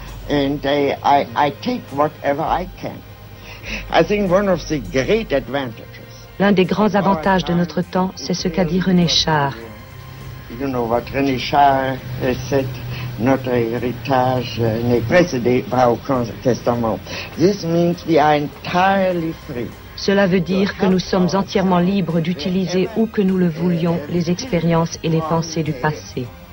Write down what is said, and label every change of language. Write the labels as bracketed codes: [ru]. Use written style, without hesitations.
[fr] Et je prends ce que je peux. Je pense que l'un des grands avantages. L'un des grands avantages de notre temps, c'est ce qu'a dit René Char. Vous savez, René Char, c'est notre héritage n'est précédé par aucun testament. [en] This means we are entirely free. [fr] Cela veut dire que nous sommes entièrement libres d'utiliser où que nous le voulions les expériences et les pensées du passé.